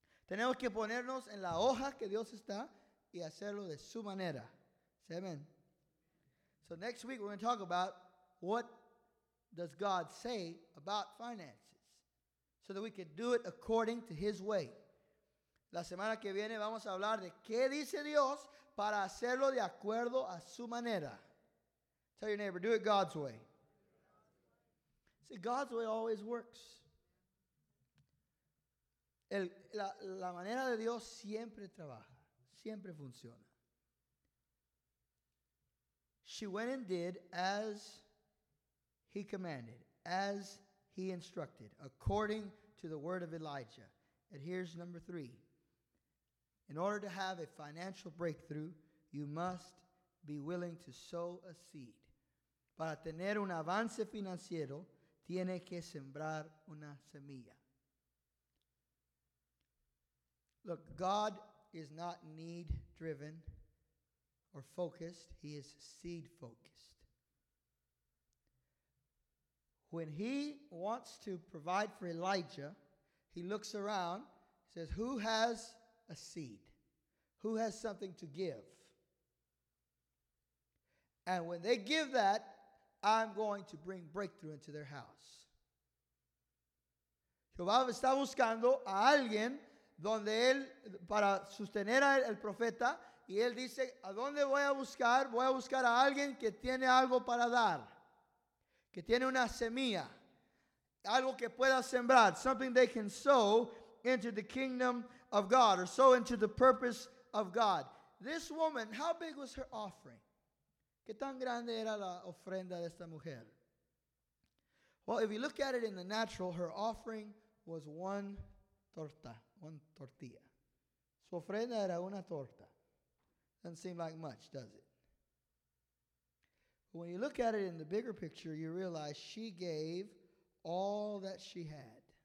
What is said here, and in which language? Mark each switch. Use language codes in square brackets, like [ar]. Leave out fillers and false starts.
[es] Tenemos que ponernos en la hoja que Dios está y hacerlo de su manera. [en] Say amen. So next week we're going to talk about what does God say about finances so that we can do it according to his way. [es] La semana que viene vamos a hablar de qué dice Dios para hacerlo de acuerdo a su manera. [en] Tell your neighbor, do it God's way. See, God's way always works. [es] La manera de Dios siempre trabaja, siempre funciona. [en] She went and did as he commanded, as he instructed, according to the word of Elijah. And here's number three. In order to have a financial breakthrough, you must be willing to sow a seed. [es] Para tener un avance financiero, tiene que sembrar una semilla. [en] Look, God is not need-driven or focused. He is seed-focused. When he wants to provide for Elijah, he looks around, says, who has a seed? Who has something to give? And when they give that, I'm going to bring breakthrough into their house. [es] Jehová está buscando a alguien donde él para sostener al profeta, y él dice, ¿a dónde voy a buscar? Voy a buscar a alguien que tiene algo para dar, que tiene una semilla, algo que pueda sembrar, [en] something they can sow into the kingdom of God, [es] or sow into the purpose of God. [en] This woman, how big was her offering? [es] ¿Qué tan grande era la ofrenda de esta mujer? [en] Well, if you look at it in the natural, her offering was one torta, one tortilla. [es] Su ofrenda era una torta. [en] Doesn't seem like much, does it? But when you look at it in the bigger picture, you realize she gave all that she had.